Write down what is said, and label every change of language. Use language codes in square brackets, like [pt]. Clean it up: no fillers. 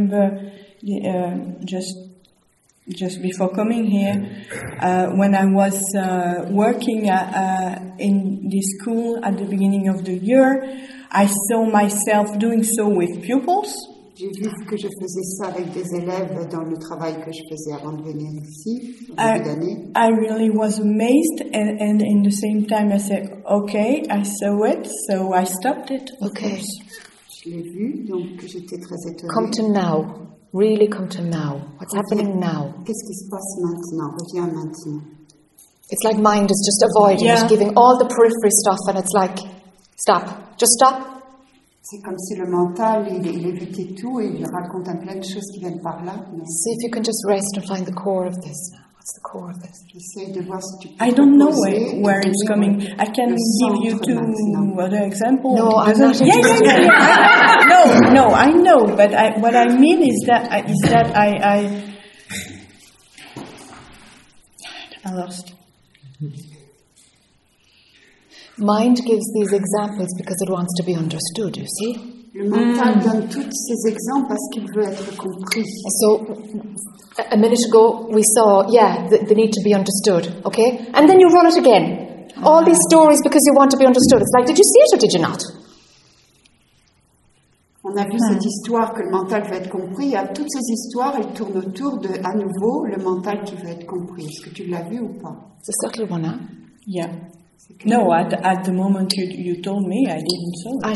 [en] I remember just before coming here, when I was working in this school at the beginning of the year, I saw myself doing so with pupils. [fr] J'ai vu que je faisais ça avec des élèves dans le travail que je faisais avant de venir ici. [en] I really was amazed, and in the same time I said, okay, I saw it, so I stopped it. Okay. Course. [fr] Je l'ai vu, donc j'étais très étonnée. [en] Come to now. Really come to now. What's happening now? [fr] Qu'est-ce qui se passe maintenant? Reviens maintenant. [en] It's like mind is just avoiding, yeah. It's giving all the periphery stuff, and it's like, stop, just stop. [fr] C'est comme si le mental, il évitait tout et il raconte un plein de choses qui viennent par là. Mais... [en] See if you can just rest and find the core of this. What's the core of this? [fr] J'essaie de voir si tu peux. [en] I don't know where it's coming. I can give you two other examples. No, I'm not. I know, but what I mean is that I lost. Mind gives these examples because it wants to be understood, you see? [fr] Le mental donne toutes ces exemples parce qu'il veut être compris. [en] So, a minute ago, we saw, the need to be understood, okay? And then you run it again. All these stories because you want to be understood. It's like, did you see it or did you not? [fr] On a vu cette histoire que le mental veut être compris. Il y a toutes ces histoires, elles tournent autour de, à nouveau, le mental qui veut être compris. Est-ce que tu l'as vu ou pas? C'est ça que le bon, hein? [en] Yeah. No, at the moment you told me, I didn't saw it.